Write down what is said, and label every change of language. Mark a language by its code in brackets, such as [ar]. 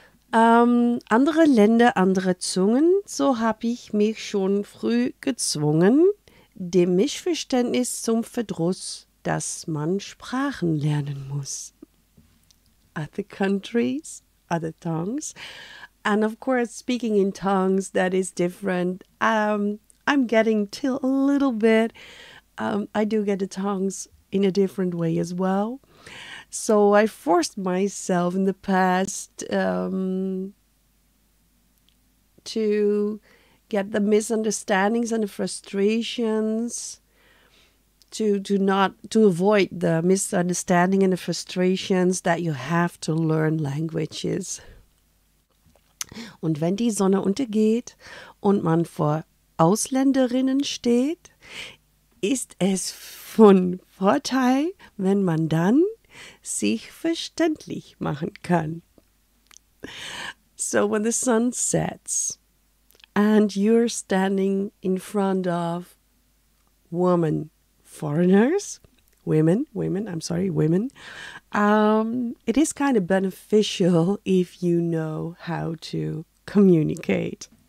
[de] Andere Länder, andere Zungen, so habe ich mich schon früh gezwungen, dem Missverständnis zum Verdruss, dass man Sprachen lernen muss. [en] Other countries, other tongues. And of course, speaking in tongues, that is different. I'm getting till a little bit. I do get the tongues in a different way as well. So I forced myself in the past to get the misunderstandings and the frustrations, to avoid the misunderstanding and the frustrations that you have to learn languages. [de] Und wenn die Sonne untergeht und man vor Ausländerinnen steht, ist es von Vorteil, wenn man dann sich verständlich machen kann. [en] So when the sun sets and you're standing in front of women, foreigners, women, it is kind of beneficial if you know how to communicate.